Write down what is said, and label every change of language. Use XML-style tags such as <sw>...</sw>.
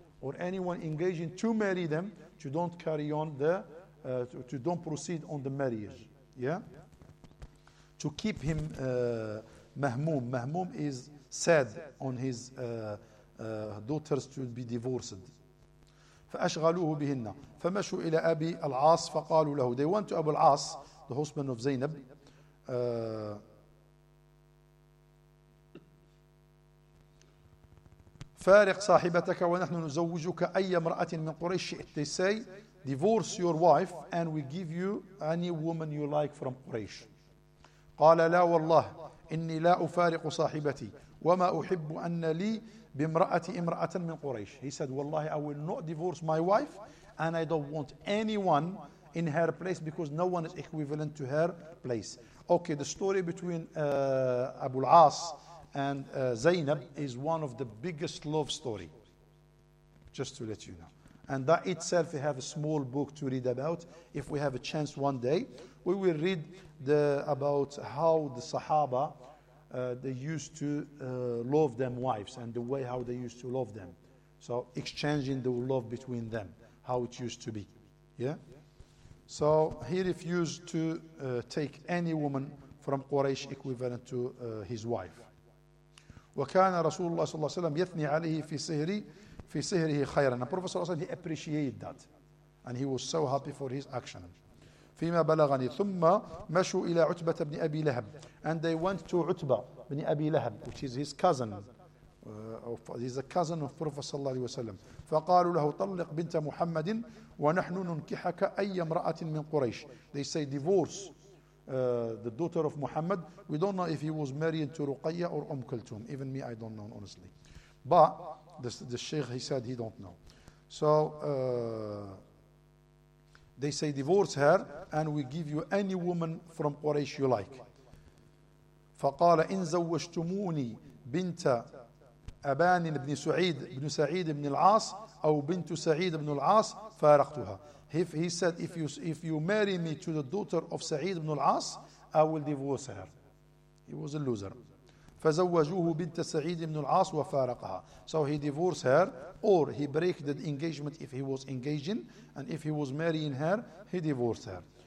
<en>Or anyone engaging to marry them, to don't carry on the, to don't proceed on the marriage. Yeah? To keep him mahmoum. Mahmoum is sad on his daughters to be divorced.</en> <ar>فأشغلوه بهن فمشوا إلى أبي العاص فقالوا له.</ar> <en>They went to Abu al-As, the husband of Zainab.</en> <ar>فارق صاحبتك ونحن نزوجك أي امرأة من قريش.</ar> <en>They say, divorce your wife and we give you any woman you like from Quraysh.</en> <ar>قال لا والله إني لا أفارق صاحبتي وما أحب أن لي بامرأة امرأة من قريش.</ar> <en>He said, والله I will not divorce my wife and I don't want anyone in her place because no one is equivalent to her place. Okay, the story between Abu al-As and Zainab is one of the biggest love story, just to let you know. And that itself, we have a small book to read about. If we have a chance one day, we will read the about how the Sahaba, they used to love them wives and the way how they used to love them. So exchanging the love between them, how it used to be. Yeah. So he refused to take any woman from Quraysh equivalent to his wife.</en> <ar>وكان رسول الله صلى الله عليه وسلم يثني عليه في سهره في سهره خيرا.</ar> <en>The Prophet صلى الله عليه وسلم, he appreciated that and he was so happy for his action.</en> <ar>فيما بلغني ثم مشوا إلى عتبة بن أبي لهب.</ar> <en>And they went to عتبة بن أبي لهب, which is his cousin, he's a cousin of Prophet صلى الله عليه وسلم.</en> <ar>فقالوا له طلق بنت محمد ونحن ننكحك أي امرأة من قريش.</ar> <en>They say divorce the daughter of Muhammad. We don't know if he was married to Ruqayya or Umm Kulthum. Even me, I don't know, honestly. But the Sheikh, he said he don't know. So they say, divorce her, and we give you any woman from Quraysh you like.</en> <ar>فقال إن زوجتموني بنت أبان بن سعيد بن سعيد بن العاص أو بنت سعيد بن العاص فارقتها.</ar> <en>He said, if you marry me to the daughter of Sa'id ibn al-As, I will divorce her. He was a loser.</en> <ar>فَزَوَّجُوهُ بِنْتَ سَعِيدِ ابْنُ الْعَاصِ وَفَارَقَهَا.</ar> <en>So he divorced her, or he break the engagement if he was engaging, and if he was marrying her, he divorced her.</en>